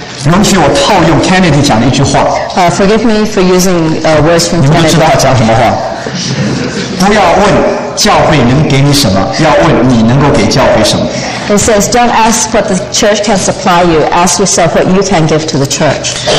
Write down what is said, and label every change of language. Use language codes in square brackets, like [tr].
[zh] 容许我套用 Kennedy 讲的一句话。 [en] Forgive me for using words from Kennedy. [zh] 你们知道他讲什么话？不要问教会能给你什么，要问你能够给教会什么。 [en] It says, "Don't ask what the church can supply you. Ask yourself what you can give to the church."